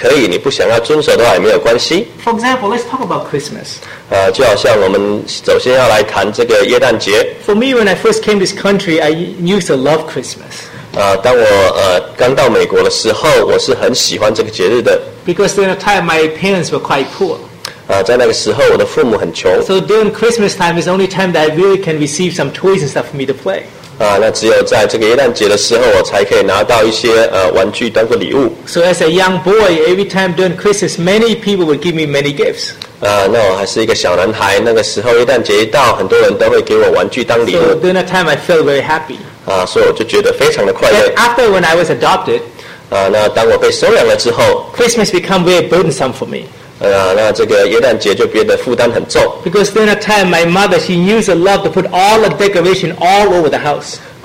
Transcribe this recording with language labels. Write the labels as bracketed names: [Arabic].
[Chinese] 那有一些节日它比较中性，如果你想要庆祝的话，你也可以；你不想要遵守的话，也没有关系。 [English] For example, let's talk about Christmas. [Chinese] 就好像我们首先要来谈这个耶诞节。 [English] For me, when I first came to this country, I used to love Christmas. [Chinese] 当我刚到美国的时候，我是很喜欢这个节日的。 [English] Because during that time, my parents were quite poor. [Chinese] 在那个时候，我的父母很穷。 [English] So during Christmas time is the only time that I really can receive some toys and stuff for me to play. [Chinese] 那只有在这个耶诞节的时候，我才可以拿到一些玩具当做礼物。 [English] So as a young boy, every time during Christmas, many people would give me many gifts. [Chinese] 那我还是一个小男孩，那个时候耶诞节一到，很多人都会给我玩具当礼物。 [English] So during that time, I felt very happy. [Chinese] 所以我就觉得非常的快乐。 [English] After when I was adopted, [Chinese] 那当我被收养了之后， [English] Christmas become very burdensome for me. [Chinese] 那这个耶诞节就变得负担很重。 [English] Because during that time, my mother, she used to love to put all the decoration all over the house.